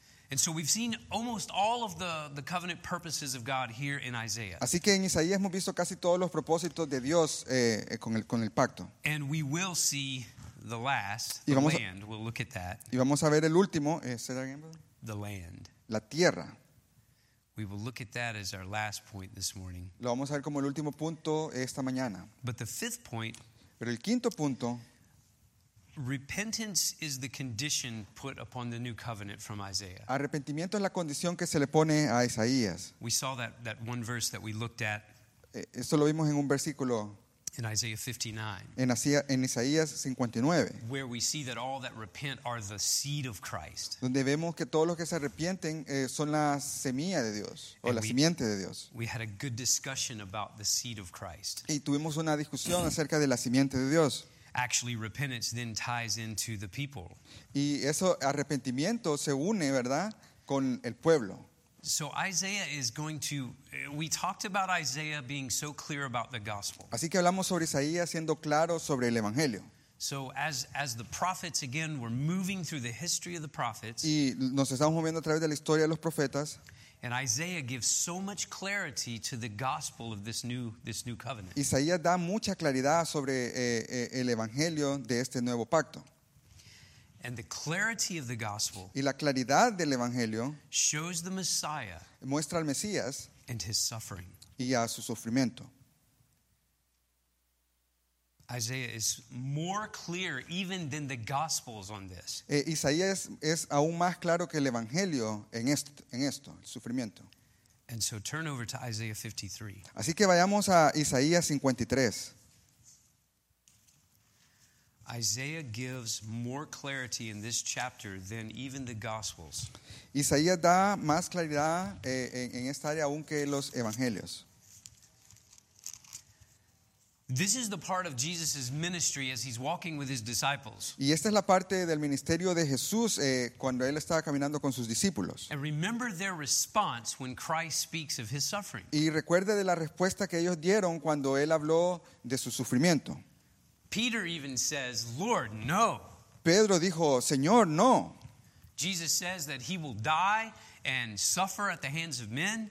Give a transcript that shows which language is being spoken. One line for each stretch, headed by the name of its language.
English: And so we've seen almost all of the covenant purposes of God here in Isaiah.
Spanish: Así que en Isaías hemos visto casi todos los propósitos de Dios con el pacto.
English: And we will see the last, the land. We'll look at that.
Spanish: Y vamos a ver el último.
English: Say that again. The land.
Spanish: La tierra.
English: We will look at that as our last point this morning.
Spanish: Lo vamos a ver como el último punto esta mañana.
English: But the fifth point.
Spanish: Pero el quinto punto.
English: Repentance is the condition put upon the new covenant from Isaiah.
Spanish: Arrepentimiento es la condición que se le pone a Isaías.
English: We saw that one verse that we looked at.
Spanish: Esto lo vimos en un versículo.
English: In Isaiah 59.
Spanish: En Isaías 59.
English: Where we see that all that repent are the seed of Christ.
Spanish: Donde vemos que todos los que se arrepienten son la semilla de Dios o la simiente de Dios.
English: We had a good discussion about the seed of Christ.
Spanish: Y tuvimos una discusión acerca de la simiente de Dios.
English: Actually, repentance then ties into the people.
Spanish: Y eso arrepentimiento se une, ¿verdad?, con el pueblo.
English: So Isaiah is going to. We talked about Isaiah being so clear about the gospel.
Spanish: Así que hablamos sobre Isaías siendo claro sobre el evangelio.
English: So as the prophets again, we're moving through the history of the prophets.
Spanish: Y nos estamos moviendo a través de la historia de los profetas.
English: And Isaiah gives so much clarity to the gospel of this new covenant.
Spanish: Isaías da mucha claridad sobre el evangelio de este nuevo pacto.
English: And the clarity of the gospel.
Spanish: Y la claridad del evangelio
English: shows the Messiah.
Spanish: Muestra al Mesías.
English: And his suffering.
Spanish: Y a su sufrimiento.
English: Isaiah is more clear even than the Gospels on this.
Spanish: Isaías es aún más claro que el Evangelio en esto, el sufrimiento.
English: And so turn over to Isaiah 53.
Spanish: Así que vayamos a Isaías 53.
English: Isaiah gives more clarity in this chapter than even the Gospels.
Spanish: Isaías da más claridad en esta área aún que los Evangelios.
English: This is the part of Jesus' ministry as he's walking with his disciples.
Spanish: Y esta es la parte del ministerio de Jesús cuando él estaba caminando con sus discípulos.
English: And remember their response when Christ speaks of his suffering.
Spanish: Y recuerde de la respuesta que ellos dieron cuando él habló de su sufrimiento.
English: Peter even says, "Lord, no."
Spanish: Pedro dijo, "Señor, no."
English: Jesus says that he will die and suffer at the hands of men.